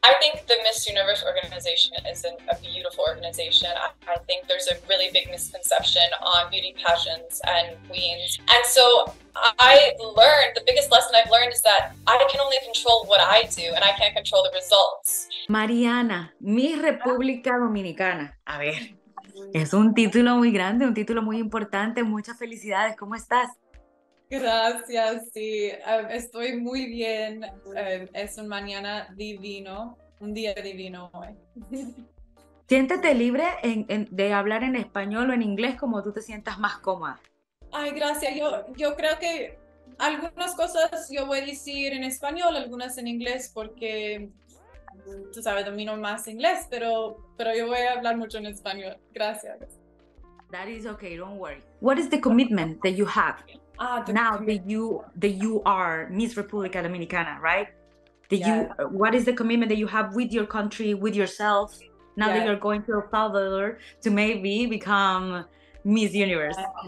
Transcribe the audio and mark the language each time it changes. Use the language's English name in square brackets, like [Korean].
[English] think the Miss Universe organization is a beautiful organization. I think there's a really big misconception on beauty pageants and queens. And so I learned, the biggest lesson I've learned is that I can only control what I do and I can't control the results. [Spanish] Mariana, Miss República Dominicana. A ver, es un título muy grande, un título muy importante. Muchas felicidades. ¿Cómo estás? Gracias, sí, estoy muy bien, es un mañana divino, un día divino hoy. Siéntete libre de hablar en español o en inglés como tú te sientas más cómoda. Ay, gracias, yo creo que algunas cosas yo voy a decir en español, algunas en inglés porque, tú sabes, domino más inglés, pero yo voy a hablar mucho en español, gracias. [English] That is okay, don't worry. What is the commitment that you have? Now that you are Miss República Dominicana, right? What is the commitment that you have with your country, with yourself, now that you're going to El Salvador to maybe become Miss Universe?